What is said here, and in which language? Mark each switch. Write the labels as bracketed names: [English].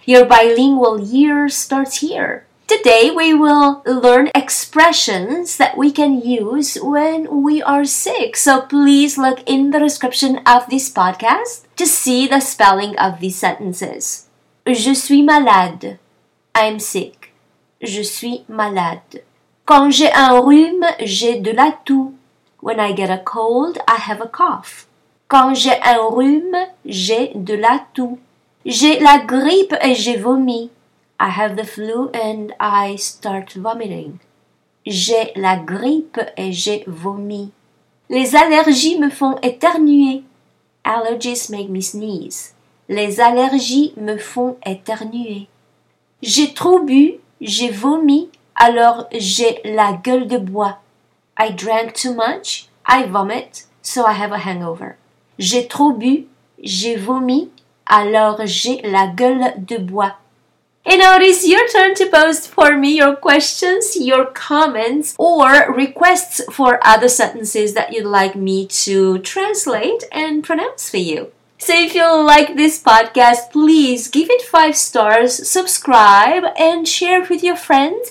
[English] Your bilingual year starts here. Today we will learn expressions that we can use when we are sick. So please look in the description of this podcast to see the spelling of these sentences. [French] Je suis malade. [English] I'm sick. [French] Je suis malade. Quand j'ai un rhume, j'ai de la toux. [English] When I get a cold, I have a cough. [French] Quand j'ai un rhume, j'ai de la toux. J'ai la grippe et j'ai vomi. [English] I have the flu and I start vomiting. [French] J'ai la grippe et j'ai vomi. Les allergies me font éternuer. [English] Allergies make me sneeze. [French] Les allergies me font éternuer. J'ai trop bu, j'ai vomi. Alors, j'ai la gueule de bois. [English] I drank too much, I vomit, so I have a hangover. [French] J'ai trop bu, j'ai vomi, alors j'ai la gueule de bois. [English] And now it is your turn to post for me your questions, your comments, or requests for other sentences that you'd like me to translate and pronounce for you. So if you like this podcast, please give it 5 stars, subscribe, and share it with your friends.